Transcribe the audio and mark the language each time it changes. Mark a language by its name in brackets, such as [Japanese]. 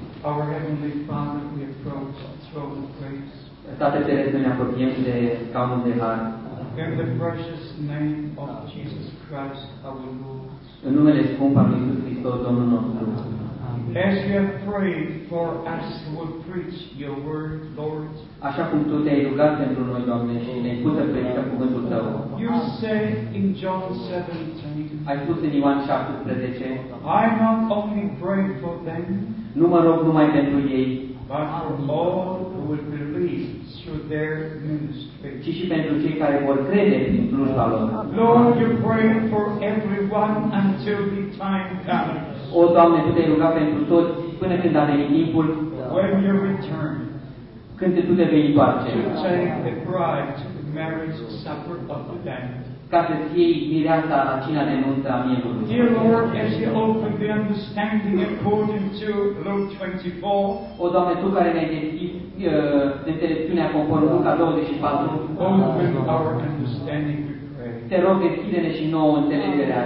[English] Our Heavenly Father, we approach the throne of grace. [Romanian] Tată Ceresc, ne apropiem de scaunul de har. [English] In the precious name of Jesus Christ, our Lord. [Romanian] În numele scump al lui Iisus Hristos, Domnul nostru. [English] As you have prayed for us who will preach your word, Lord. [Romanian] Așa cum tu te-ai rugat pentru noi, Doamne, și ne pute predica cuvântul tău. [English] You say in John 17. [Romanian] Ai spus în Ioan 17. [English] I not only pray for them. [Romanian] Nu mă rog numai pentru ei. [English] But for all who will believe through their ministry. [Romanian] Ci și pentru cei care vor crede în slujba lor. [English] Lord, you pray for everyone until the time comes. [Romanian] O, Doamne, Tu te-ai rugat pentru toți până când a venit timpul. [English] When you return, [Romanian] când Tu te vei întoarce. [English] To take the bride to the marriage supper of the Lamb. [Romanian] Ca să-ți iei mireasa la cina de nuntă a mielului. [English] Dear Lord, as you open the understanding according to Luke 24. [Romanian] O, Doamne, Tu care ne-ai deschis înțelepciunea conform Luca 24. [English] Open our understanding, we pray. [Romanian] Te rog, deschide-ne și nouă înțelegerea.